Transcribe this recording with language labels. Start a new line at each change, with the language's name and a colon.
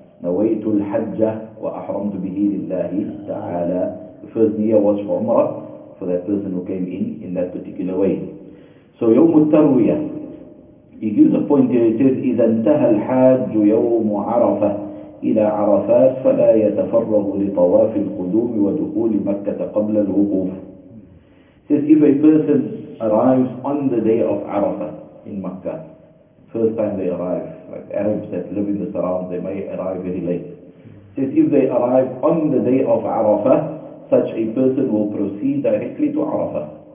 Arabic: نويت الحجة وأحرمت به لله تعالى.
English: The first niyyah was for Umrah, for that person who came in that particular way. So
Arabic: يوم التروية,
English: he gives a point here, it says
Arabic: إذا انتهى الحاج يوم عرفة إلى عرفات فلا يتفرغ لطواف القدوم ودخول مكة قبل الوقوف.
English: It says if a person arrives on the day of Arafah in Mecca, first time they arrive, like Arabs that live in the surrounds, they may arrive very late. It says, if they arrive on the day of Arafah, such a person will proceed directly to Arafah.